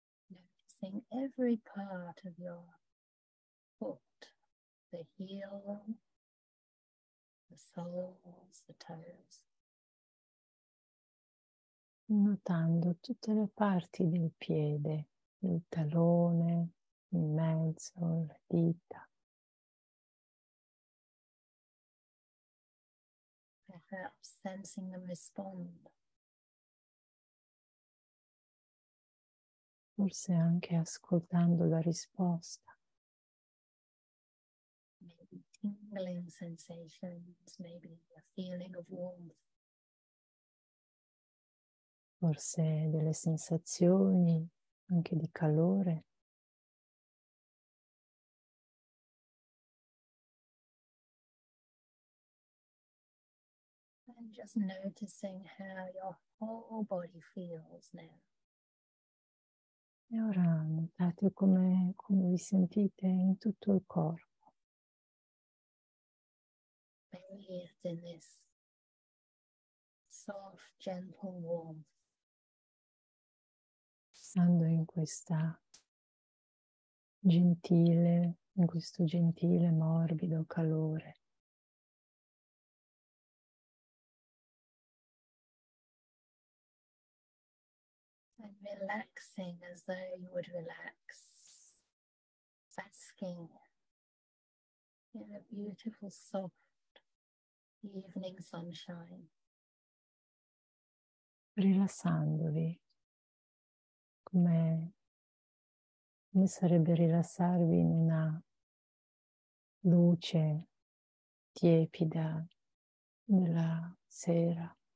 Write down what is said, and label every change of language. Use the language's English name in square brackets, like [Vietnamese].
[English] Noticing every part of your the heel, the soles, the toes. [Italian] Notando tutte le parti del piede, il talone, il mezzo, le dita. [English] Perhaps sensing them respond. [Italian] Forse anche ascoltando la risposta. [English] Tingling sensations, maybe a feeling of warmth. [Italian] Forse delle sensazioni anche di calore. [English] And just noticing how your whole body feels now. [Italian] E ora notate come vi sentite in tutto il corpo. [English] Bathed in this soft, gentle warmth. [Italian] Stando in questa gentile, in questo gentile, morbido calore. [English] And relaxing as though you would relax, basking in a beautiful, soft evening sunshine. [Italian] Rilassandovi, come sarebbe rilassarvi in una luce tiepida della sera.